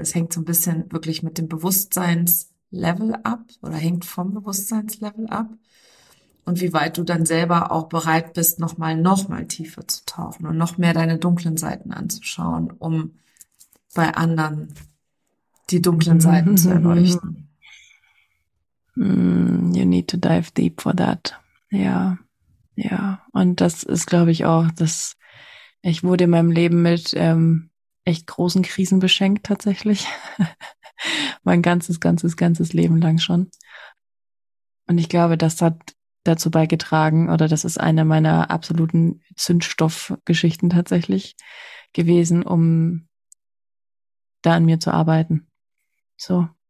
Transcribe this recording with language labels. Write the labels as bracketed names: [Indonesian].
[German] Es hängt so ein bisschen wirklich mit dem Bewusstseinslevel ab oder hängt vom Bewusstseinslevel ab. Und wie weit du dann selber auch bereit bist, nochmal tiefer zu tauchen und noch mehr deine dunklen Seiten anzuschauen, um bei anderen die dunklen Seiten zu erleuchten. [English] You need to dive deep for that. [German] Ja, ja. Und das ist, glaube ich, auch, dass ich wurde in meinem Leben mit echt großen Krisen beschenkt, tatsächlich. Mein ganzes Leben lang schon. Und ich glaube, das hat dazu beigetragen, oder das ist eine meiner absoluten Zündstoffgeschichten tatsächlich gewesen, um da an mir zu arbeiten. So.